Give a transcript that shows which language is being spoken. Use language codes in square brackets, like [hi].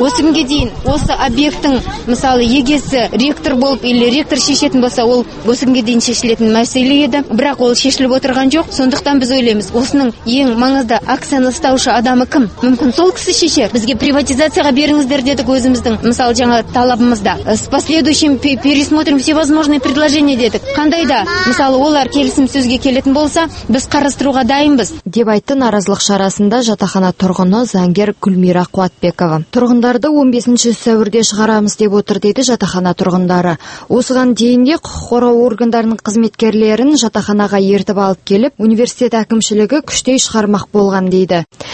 [kk] Осы күнге дейін осы объекттің мысалы егесі ректор болып или ректор шешетін болса, ол осы күнге дейін шешілетін мәселе еді, бірақ ол шешіліп отырған жоқ. Сондықтан біз ойлаймыз, осының ең маңызды акцияны ұстаушы адамы кім? Мүмкін сол кісі шешер. Бізге приватизацияға беріңіздер дедік өзіміздің мысалы жаңа талабымызда. [ru] С последующим пересмотрим все возможные предложения [kk] дедік. Қандай да мысалы олар келісім сөзге келетін болса, біз қарастыруға дайынбыз. Деп айтты наразылық шарасында жатақхана тұрғыны заңгер Гүлмира Қуатбекова. Тұрғындарды 15 сәуірде шығарамыз деп отыр дейді жатақхана тұрғындары. Осыған дейінде құқық қорғау органдарының қызметкерлерін жатақханаға ертіп алып келіп, университет әкімшілігі күштей шығармақ болған дейді.